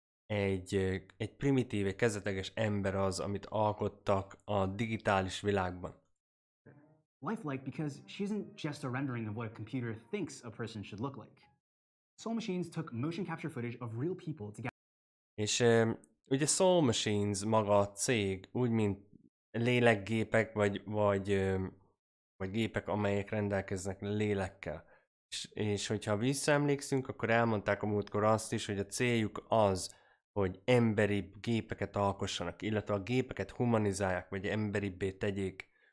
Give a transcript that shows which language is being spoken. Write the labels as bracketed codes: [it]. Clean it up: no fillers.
[hu] egy primitív, egy kezdeteges ember az, amit alkottak a digitális világban. [en] Lifelike because she isn't just a rendering of what a computer thinks a person should look like. Soul Machines took motion capture footage of real people to get... [hu] És ugye Soul Machines maga a cég, úgy mint lélekgépek, vagy gépek, amelyek rendelkeznek lélekkel. És hogyha visszaemlékszünk, akkor elmondták a múltkor azt is, hogy a céljuk az, hogy emberi gépeket alkossanak, illetve a gépeket humanizálják, vagy emberibbé tegyék.